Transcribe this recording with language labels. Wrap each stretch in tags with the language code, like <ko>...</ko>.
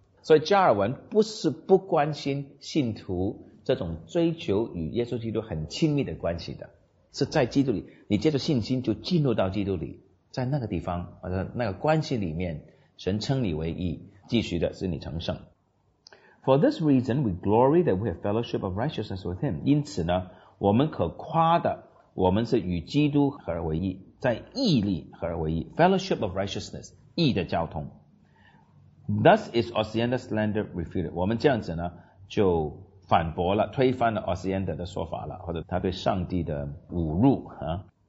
<zh>所以加尔文不是不关心信徒这种追求与耶稣基督很亲密的关系的，是在基督里，你借着信心就进入到基督里，在那个地方或者那个关系里面，神称你为义，继续的使你成圣。</zh> <en>For this reason, we glory that we have fellowship of righteousness with Him.</en> <zh>因此呢，我们可夸的，我们是与基督合而为义，在义里合而为义。</zh> <en>Fellowship of righteousness,</en> <zh>义的交通。</zh> <en>Thus is Osiander's slander refuted.</en> <zh>我们这样子呢，就反驳了，推翻了 Osiander 的说法了，或者他对上帝的侮辱啊。</zh>